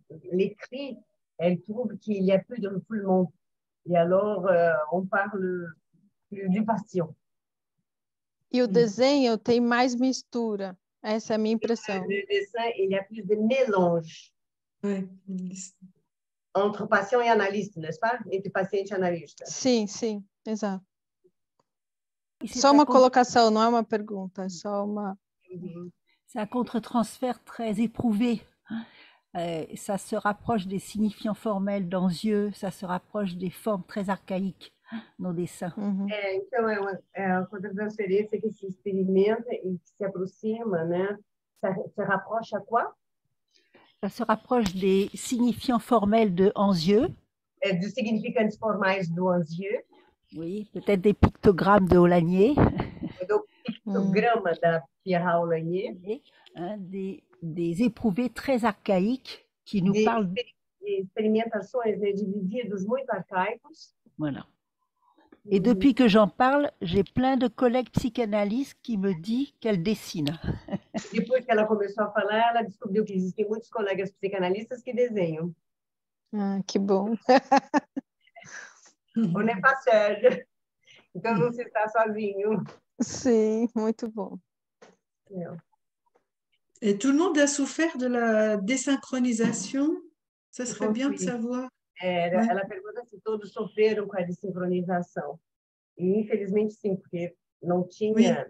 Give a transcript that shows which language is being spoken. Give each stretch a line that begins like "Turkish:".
French: L'écrit, elle trouve qu'il y a plus de refoulement, e alors on parle plus du patient.
Portuguese: E o desenho tem mais mistura. Essa é a minha impressão. O desenho, ele é mais de mélange. Entre paciente e analista, não é? Entre paciente e analista. Sim, sim, exato. Só uma colocação, não é uma pergunta. É só uma...
French: C'est un contre-transfert très éprouvé. Ça se rapproche des signifiants formels dans yeux. Ça se rapproche des formes très archaïques. Nos dessins.
Portuguese: Então é uma contra-transferência que se experimenta e que se aproxima, né?
French: Se rapproche a quoi? Ça se rapproche des signifiants formels de Anzieu.
Portuguese: Dos significantes formais do Anzieu.
French: Oui, peut-être des pictogrammes de Aulagnier.
Portuguese: Do pictograma da Pierre Aulagnier.
French: Des éprouvés très archaïques qui nous parlent.
Portuguese: Des experimentações, né, de vídeos muito arcaicos.
French: Voilà. Et depuis que j'en parle, j'ai plein de collègues psychanalystes qui me disent qu'elles dessinent.
Portuguese: Depois que ela começou a falar, ela descobriu que existem muitos colegas psicanalistas que desenham. Ah, que bom.
French: On est pas seul.
Portuguese: Então você está sozinho. Sim, muito bom.
French: Et tout le monde a souffert de la désynchronisation? Ça serait bien de savoir.
Portuguese: Ela pergunta se todos sofreram com a desincronização. E infelizmente sim, porque não tinha, oui.